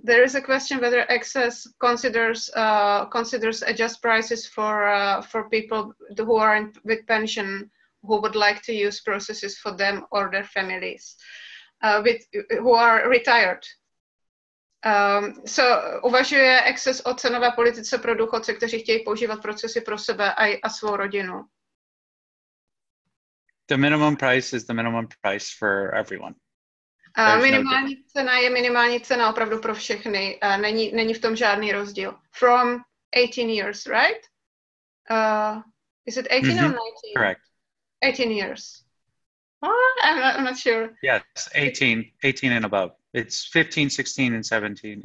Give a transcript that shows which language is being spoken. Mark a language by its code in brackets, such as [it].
[en] There is a question whether access considers adjust prices for people who are with pension who would like to use processes for them or their families, who are retired. [cs] So uvažuje Access o cenové politice pro důchodce, kteří chtějí používat procesy pro sebe a svou rodinu. [en] The minimum price is the minimum price for everyone. [cs] Minimální cena je minimální cena opravdu pro všechny. Není v tom žádný rozdíl. [en] From 18 years, right? Is it 18 mm-hmm. or 19? Correct. 18 years. What? I'm not sure. Yes, 18. 18 and above. It's 15, 16, and 17.